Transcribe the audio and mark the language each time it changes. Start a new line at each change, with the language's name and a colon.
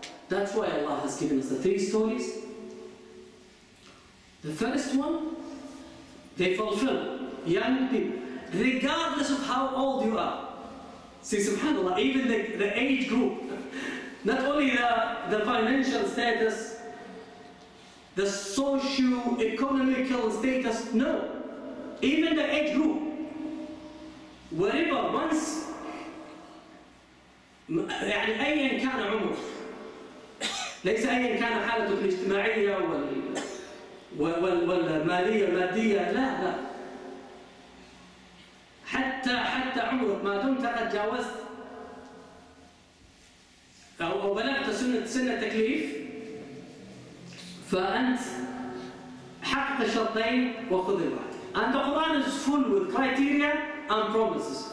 English: That's why Allah has given us the three stories. The first one, they fulfill. Young people, regardless of how old you are. See, subhanAllah, even the age group, not only the financial status, the socio-economical status, no. Even the age group, wherever, once,
Arabic: يعني أيا كان عمر, ليس أيا كان حالتك الاجتماعية والمالية المادية, لا لا. حتى عمرك, ما دمت قد جاوزت أو بلغت سن التكليف, فأنت حقق الشرطين وخذ الوعد.
English: And the Quran is full with criteria and promises.